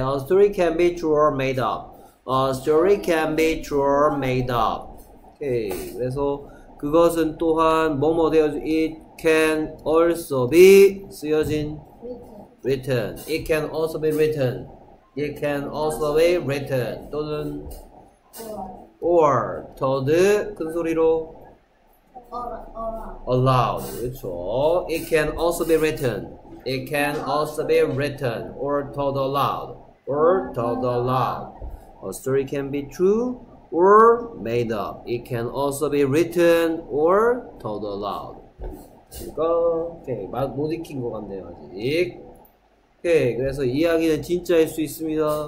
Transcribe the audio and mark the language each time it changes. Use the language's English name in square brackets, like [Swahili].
[English] A story can be true or made up. A story can be true or made up. [Korean] 오케이. 그래서 그것은 또한 뭐뭐 되어져. [English] It can also be [Korean] 쓰여진 [English] written. It can also be written. It can also be written [Korean] 또는 [English] or [Korean] 더드 큰 소리로 [English] aloud [Korean] 그렇죠. [English] It can also be written. It can also be written or told aloud or told aloud. A story can be true or made up. It can also be written or told aloud. [Korean] 이거 오케이 막 못 익힌 것 같네요 아직. 오케이. 그래서 이야기는 진짜일 수 있습니다.